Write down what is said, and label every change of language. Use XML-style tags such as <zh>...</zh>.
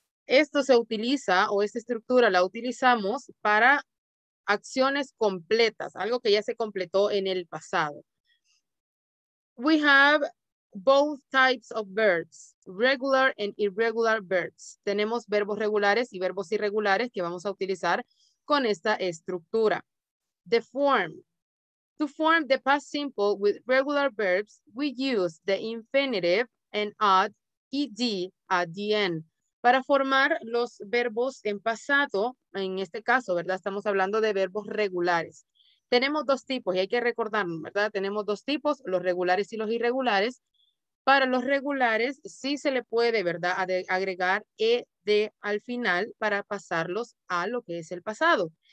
<es>esto se utiliza, o esta estructura la utilizamos para acciones completas, algo que ya se completó en el pasado.</es> <en>We have both types of verbs, regular and irregular verbs.</en> <es>Tenemos verbos regulares y verbos irregulares que vamos a utilizar con esta estructura.</es> <en>The form. To form the past simple with regular verbs, we use the infinitive and add ed at the end.</en> <es>Para formar los verbos en pasado, en este caso, ¿verdad? Estamos hablando de verbos regulares. Tenemos dos tipos, y hay que recordar, ¿verdad? Tenemos dos tipos, los regulares y los irregulares. Para los regulares, sí se le puede, ¿verdad? Agregar ed al final para pasarlos a lo que es el pasado.</es>